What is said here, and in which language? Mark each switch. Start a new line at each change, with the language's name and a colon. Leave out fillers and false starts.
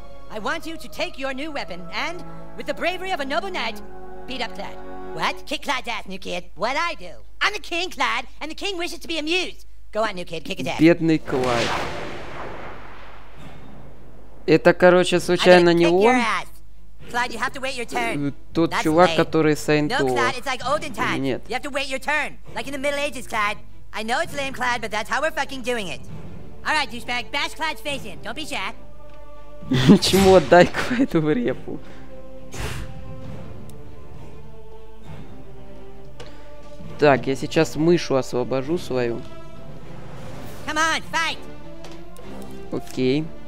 English: I want you to take your new weapon and, with the bravery of a noble knight, beat up Clyde. What? Kick Clyde's ass, new kid. What I do? I'm the king, Clyde, and the king wishes to be amused. Go on, new kid, kick his ass.
Russian: Бедный Клайд. Это, короче, случайно не он?
English: Clyde, you have to wait your turn.
Russian: Тот чувак, который Саентолог.
English: No, Clyde, it's like olden times.
Russian: Нет.
English: You have to wait your turn. Like in the Middle Ages, Clyde. I know it's lame, Clyde, but that's how we're fucking doing it. All right, douchebag, bash Clyde's face in. Don't be shy.
Russian: Ничему, отдай Клайду в репу. Так, я сейчас мышу освобожу свою.
English: Come on, fight.
Russian: Окей.